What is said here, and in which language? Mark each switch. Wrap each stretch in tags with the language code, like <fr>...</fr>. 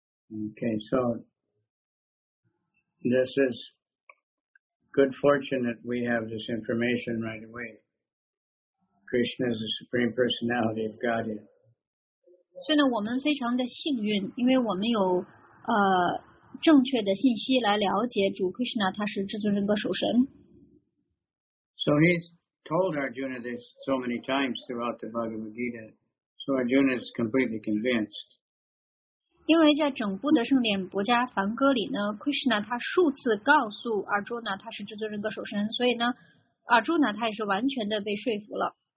<en>Okay, so this is good fortune that we have this information right away. Krishna is the Supreme Personality of Godhead.</en> <zh>所以呢，我们非常的幸运，因为我们有正确的信息来了解主 Krishna， 他是至尊人格首神。</zh> <en>So he's told Arjuna this so many times throughout the Bhagavad Gita, so Arjuna is completely convinced.</en> <zh>因为在整部的圣典博迦梵歌里呢 ，Krishna 他数次告诉 Arjuna 他是至尊人格首身，所以呢 ，Arjuna 他也是完全的被说服了。</zh>